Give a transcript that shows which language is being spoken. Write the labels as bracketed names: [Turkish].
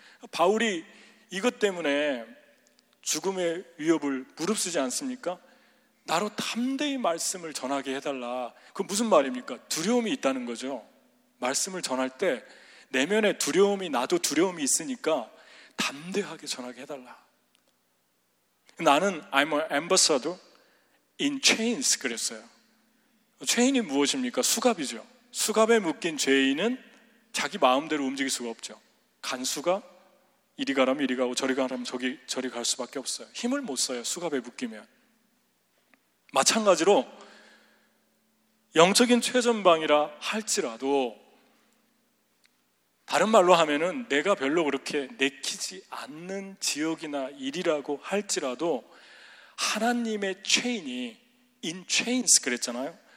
[Korean] 바울이 이것 때문에 죽음의 위협을 무릅쓰지 않습니까? 나로 담대히 말씀을 전하게 해달라. 그 무슨 말입니까? 두려움이 있다는 거죠. 말씀을 전할 때 내면에 두려움이 나도 두려움이 있으니까 담대하게 전하게 해달라. [English] 나는 I'm an ambassador in chains 그랬어요. [Korean] 체인이 무엇입니까? 수갑이죠. 수갑에 묶인 죄인은 자기 마음대로 움직일 수가 없죠. 간수가 이리 가라면 이리 가고 저리 가라면 저리 갈 수밖에 없어요. 힘을 못 써요, 수갑에 묶이면. 마찬가지로 영적인 최전방이라 할지라도 다른 말로 하면은 내가 별로 그렇게 내키지 않는 지역이나 일이라고 할지라도 하나님의 체인이 [English] in chains [Korean] 그랬잖아요.